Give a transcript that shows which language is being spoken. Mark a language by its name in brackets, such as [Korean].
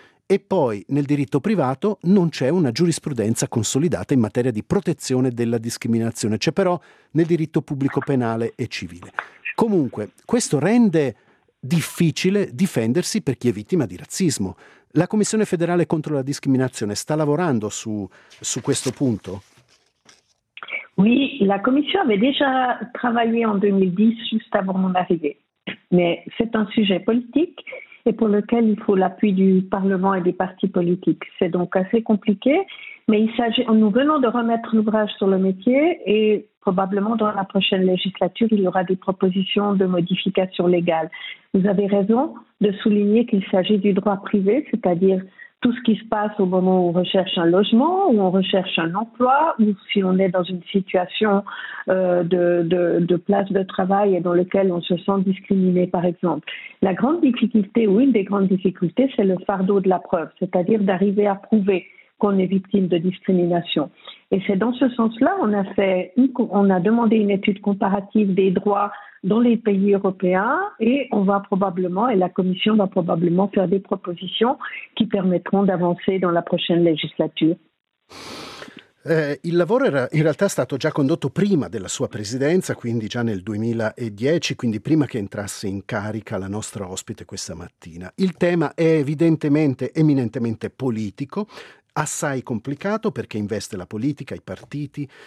[Italian] E poi nel diritto privato non c'è una giurisprudenza consolidata in materia di protezione della discriminazione, c'è però nel diritto pubblico penale e civile. Comunque, questo rende difficile difendersi per chi è vittima di razzismo. La Commissione federale contro la discriminazione sta lavorando su questo punto? [French] Oui, la Commission avait déjà travaillé en 2010, juste avant mon arrivée. Mais c'est un sujet politique et pour lequel il faut l'appui du Parlement et des partis politiques. C'est donc assez compliqué, mais nous venons de remettre l'ouvrage sur le métier et probablement dans la prochaine législature, il y aura des propositions de modifications légales. Vous avez raison de souligner qu'il s'agit du droit privé, c'est-à-dire tout ce qui se passe au moment où on recherche un logement, où on recherche un emploi, ou si on est dans une situation de place de travail et dans laquelle on se sent discriminé, par exemple. La grande difficulté, ou une des grandes difficultés, c'est le fardeau de la preuve, c'est-à-dire d'arriver à prouver qu'on est victime de discrimination. Et c'est dans ce sens-là qu'on a demandé une étude comparative des droits dans les pays européens et la Commission va probablement faire des propositions qui permettront d'avancer dans la prochaine législature. [Italian] Il lavoro era in realtà stato già condotto prima della sua presidenza, quindi già nel 2010, quindi prima che entrasse in carica la nostra ospite questa mattina. Il tema è evidentemente eminentemente politico, assai complicato perché investe la politica, i partiti.